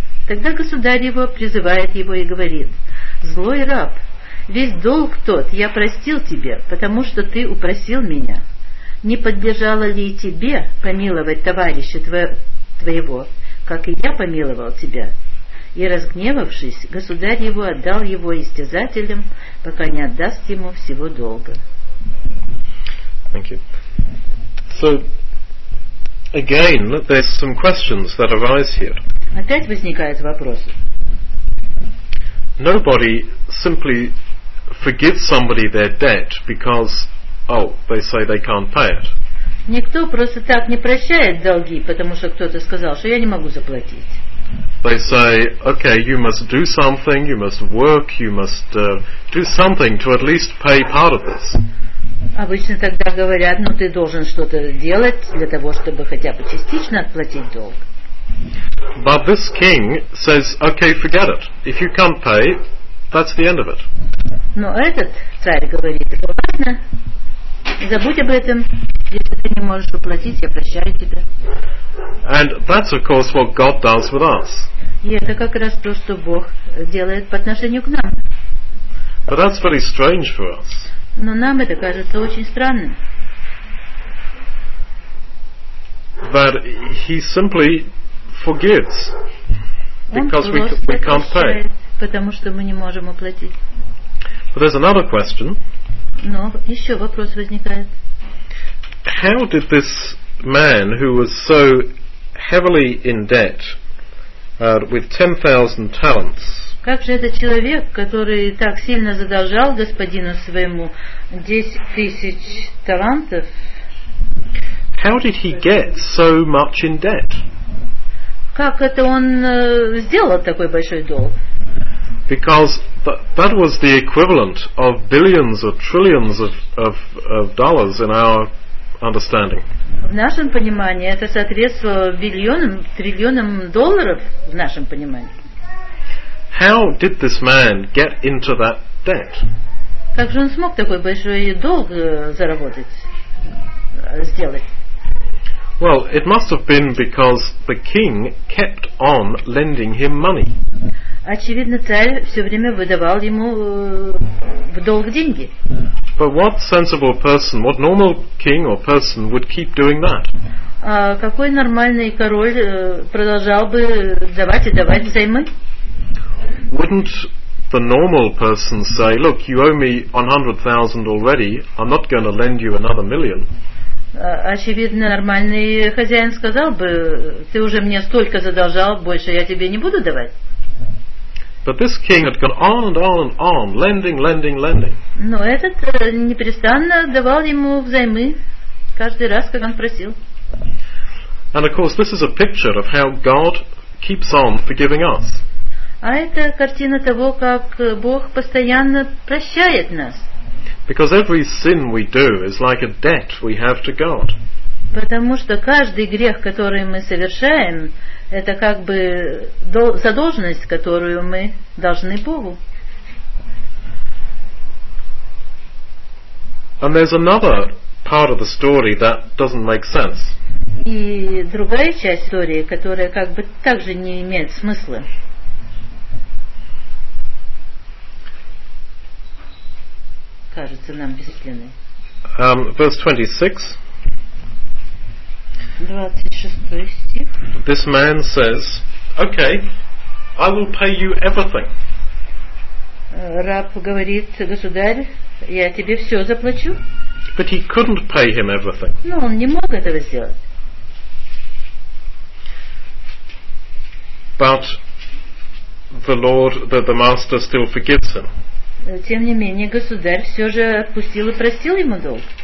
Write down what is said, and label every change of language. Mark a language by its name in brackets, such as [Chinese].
[Russian] Тогда государь его призывает его и говорит: «Злой раб, весь долг тот я простил тебе, потому что ты упросил меня. Не подлежало ли тебе помиловать товарища твоего, как и я помиловал тебя?» И, разгневавшись, государь его отдал его истязателям, пока не отдаст ему всего долга. [English] Thank you. So, again, there's some questions that arise here. [Russian] Опять возникают вопросы. [English] Nobody simply forgives somebody their debt because oh, they say they can't pay it. [Russian] Никто просто так не прощает долги, потому что кто-то сказал, что я не могу заплатить. [English] They say, okay, you must do something, you must work, you must do something to at least pay part of this. [Russian] Обычно тогда говорят, ну ты должен что-то делать для того, чтобы хотя бы частично отплатить долг. [English] But this king says, okay, forget it. If you can't pay, that's the end of it. [Russian] Но этот царь говорит, ладно, забудь об этом. Если ты не можешь уплатить, я прощаю тебя. [English] And that's of course what God does with us. [Russian] И это как раз то, что Бог делает по отношению к нам. [English] But that's very strange for us. [Russian] Но нам это кажется очень странным. [English] That he simply forgives because we can't pay. [Russian] Потому что мы не можем уплатить. [English] But there's another question. [Russian] Но еще вопрос возникает. [English] How did this man who was so heavily in debt with 10,000 talents? [Russian] Как же этот человек, который так сильно задолжал господину своему 10,000 талантов? [English] How did he get so much in debt? [Russian] Как это он сделал такой большой долг? [English] Because that was the equivalent of billions or trillions of dollars in our understanding. [Russian] В нашем понимании это соответствовало биллионам, триллионам долларов в нашем понимании. [English] How did this man get into that debt? [Russian] Как же он смог такой большой долг заработать, сделать? [English] Well, it must have been because the king kept on lending him money. [Russian] Очевидно, царь все время выдавал ему в долг деньги. [English] But what sensible person, what normal king or person would keep doing that? [Russian] Какой нормальный король продолжал бы давать и давать взаймы? [English] Wouldn't the normal person say, look, you owe me 100,000 already, I'm not going to lend you another million? [Russian] Очевидно, нормальный хозяин сказал бы, ты уже мне столько задолжал, больше я тебе не буду давать. [English] But this king had gone on and on and on, lending, lending, lending. [Russian] Но этот непрестанно давал ему взаймы каждый раз, как он просил. [English] And of course, this is a picture of how God keeps on forgiving us. [Russian] А это картина того, как Бог постоянно прощает нас. [English] Because every sin we do is like a debt we have to God. [Russian] Потому что каждый грех, который мы совершаем, это как бы задолженность, которую мы должны Богу. [English] And there's another part of the story that doesn't make sense. [Russian] И другая часть истории, которая как бы также не имеет смысла. Кажется нам бессмысленной. [English] Verse 26. [Russian] 26 стих. [English] This man says, okay, I will pay you everything. [Russian] Раб говорит, государь, я тебе все заплачу. [English] But he couldn't pay him everything. [Russian] Но он не мог этого сделать. [English] But the Lord, the master still forgives him. [Russian] Тем не менее, государь все же отпустил и простил ему долг.